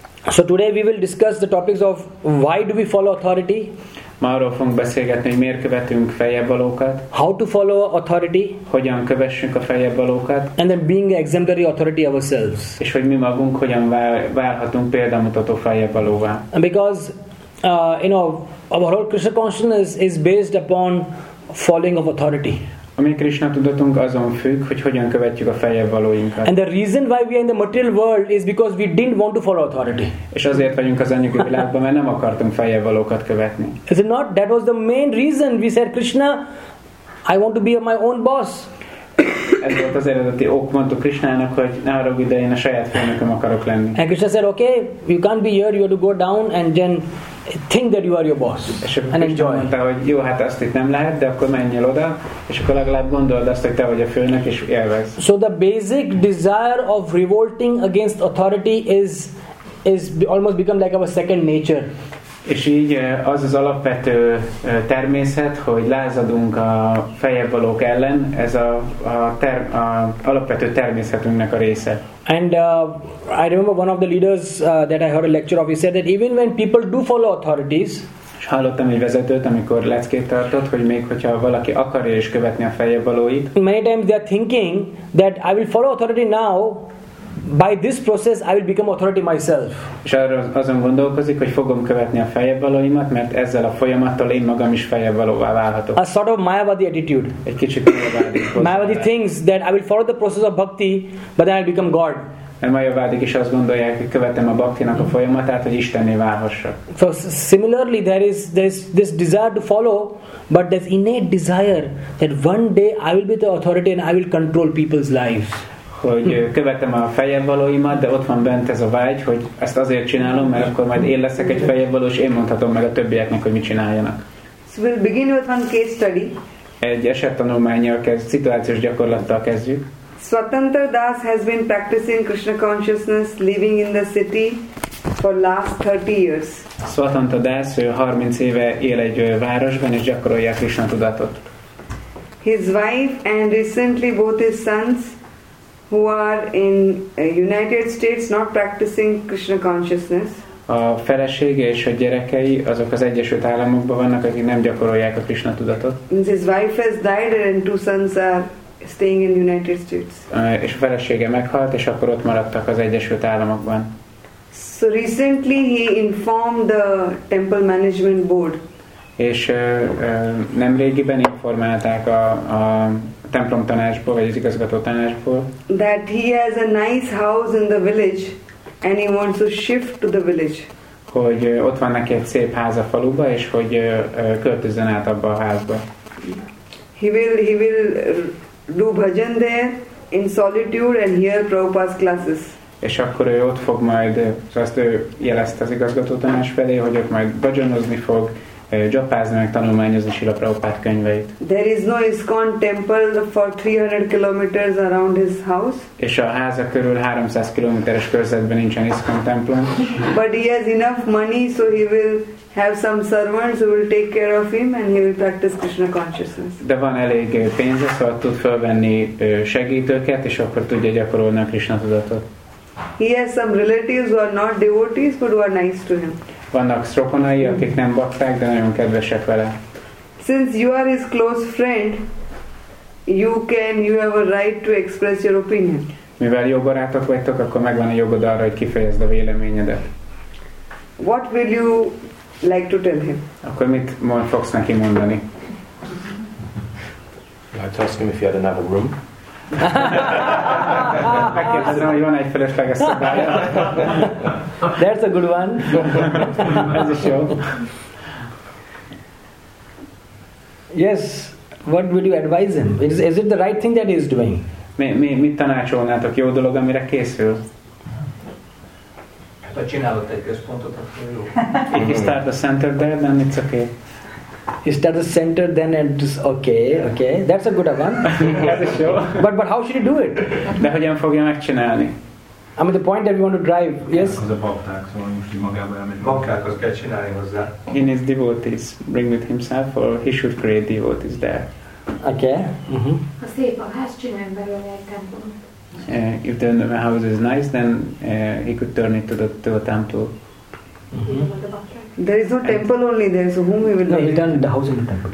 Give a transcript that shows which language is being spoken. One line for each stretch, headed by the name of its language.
English: So today we will discuss the topics of why do we follow authority?
Hungarian: Ma arról fogunk beszélgetni, hogy miért követünk feljebb valókat.
English: How to follow authority?
Hungarian: Hogyan kövessünk a feljebb valókat?
English: And then being an exemplary authority ourselves.
Hungarian: És hogy mi magunk hogyan válhatunk példamutató feljebb valóvá.
English: Because our whole Krishna consciousness is based upon following of authority.
Hungarian: Ami Krishna tudatunk azon függ, hogy hogyan követjük a feljebb valóinkat.
English: And the reason why we are in the material world is because we didn't want to follow authority.
Hungarian: És azért vagyunk az anyagi világban, mert nem akartunk feljebb valókat követni.
English: Is it not? That was the main reason we said, Krishna, I want to be my own boss.
Hungarian: Ez volt az eredeti ok, mondtuk Krishnának, hogy ne haragudj, de én a saját főnököm akarok lenni.
English: And Krishna said, okay, you can't be here, you have to go down and then think that you are your boss.
Hungarian: És akkor Krishna mondta, hogy jó, hát azt itt nem lehet, de akkor menj el oda, és akkor legalább gondold azt, hogy te vagy a főnök, és élvezd.
English: So the basic desire of revolting against authority is almost become like our second nature.
Hungarian: És így az az alapvető természet, hogy lázadunk a feljebb valók ellen, ez a alapvető természetünknek a része.
English: And I remember one of the leaders that I heard a lecture of, he said that even when people do follow authorities,
Hungarian: és hallottam egy vezetőt, amikor leckét tartott, hogy még hogyha valaki akarja is követni a feljebb valóit,
English: many times they are thinking that I will follow authority now, by this process I will become authority myself.
Hungarian: És arra azon gondolkozik, hogy fogom követni a feljebbvalóimat, mert ezzel a folyamattal én magam is feljebbvalóvá válhatok.
English: A sort of Mayavadi attitude.
Hungarian: Egy kicsit Mayavadi.
English: Mayavadi thinks that I will follow the process of bhakti, but then I will become God.
Hungarian: A Mayavadik is azt gondolják, hogy követem a bhaktinak a folyamatát, hogy Istenné válhassak.
English: So similarly there is this desire to follow, but there's innate desire that one day I will be the authority and I will control people's lives.
Hungarian: Hogy követem a feljebbvalóimat, de ott van bent ez a vágy, hogy ezt azért csinálom, mert akkor majd én leszek egy feljebbvaló, és én mondhatom meg a többieknek, hogy mit csináljanak.
English: So we'll begin with one case study.
Hungarian: Egy esettanulmánnyal kezdjük, szituációs gyakorlattal kezdjük.
English: Swatantra Das has been practicing Krishna consciousness, living in the city for last 30 years.
Hungarian: Swatantra Das, ő 30 éve él egy városban, és gyakorolja Krishna tudatot.
English: His wife and recently both his sons, who are in United States not practicing Krishna consciousness.
Hungarian: A felesége és a gyerekei, azok az Egyesült Államokban vannak, akik nem gyakorolják a Krishna tudatot.
English: His wife has died and two sons are staying in United States.
Hungarian: És a felesége meghalt, és akkor ott maradtak az Egyesült Államokban.
English: So recently he informed the temple management board.
Hungarian: És nemrégiben informálták a templom tanácsból, vagy az igazgató tanácsból.
English: That he has a nice house in the village, and he wants to shift to the village.
Hungarian: Hogy ott van neki egy szép ház a faluba, és hogy költözzen át abba a házba.
English: He will do bhajan there in solitude and hear Prabhupada's classes.
Hungarian: És akkor ő ott fog majd, azt ő jelezte az igazgató tanács felé, hogy ott majd bhajanozni fog, japázni meg tanulmányozni Srila Prabhupada könyveit.
English: There is no ISKCON temple for 300 kilometers around his house.
Hungarian: És a háza körül 300 kilométeres körzetben nincsen ISKCON templom.
English: But he has enough money, so he will have some servants who will take care of him and he will practice Krishna consciousness.
Hungarian: De van elég pénze, szóval tud felvenni segítőket, és akkor tudja gyakorolni a Krishna tudatot.
English: He has some relatives who are not devotees, but who are nice to him.
Hungarian: Vannak rokonai, akik nem bakták, de nagyon kedvesek vele.
English: Since you are his close friend, you have a right to express your opinion.
Hungarian: Mivel jó barátok vagytok, akkor megvan a jogod arra, hogy kifejezd a véleményedet.
English: What will you like to tell him?
Hungarian: Akkor mit fogsz neki mondani?
English: I'd ask him if he had another room.
Hungarian: Megkérdezem, hogy van egy felesleges szobája.
English: That's a good one.
Hungarian: Ez is jó.
English: Yes, what would you advise him? Is it the right thing that he is doing?
Hungarian: Mit tanácsolnátok? Jó dolog, amire készül? Hát, ha csinálod egy központot, akkor jó.
English: If you start the center there, then it's okay. Is that the center? Then it's okay. That's a good one. Yes, sure. But how should you do it?
Hungarian: De hogyan fogja megcsinálni?
English: I mean the point that we want to drive. Yes.
Hungarian: Az a bakták, szóval most így magában elmegy. Bakták, az kell csinálni hozzá.
English: In his devotees, bring with himself, or he should create devotees there. Okay.
Hungarian: A szép a ház, csinálj belőle egy templom.
English: If the house is nice, then he could turn it to a temple. There is no temple only there, so whom he will know? No, he turned the house into temple.